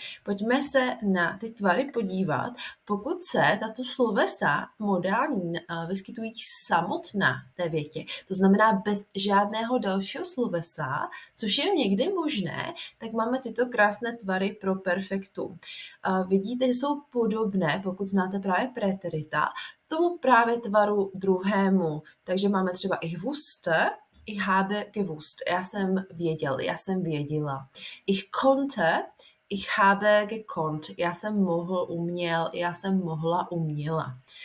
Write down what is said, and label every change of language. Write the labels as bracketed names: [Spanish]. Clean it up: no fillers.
[Czech] Pojďme se na ty tvary podívat. Pokud se tato slovesa modální vyskytují samotná v té větě, to znamená bez žádného dalšího slovesa, což je někdy možné, tak máme tyto krásné tvary pro perfektum. Vidíte, že jsou podobné, pokud znáte právě preterita, tomu právě tvaru druhému. Takže máme třeba [German] ich wusste, ich habe gewusst. [Czech] Já jsem věděl, já jsem věděla. [German] Ich konnte, ich habe gekonnt. [Czech] Já jsem mohl, uměl, já jsem mohla, uměla.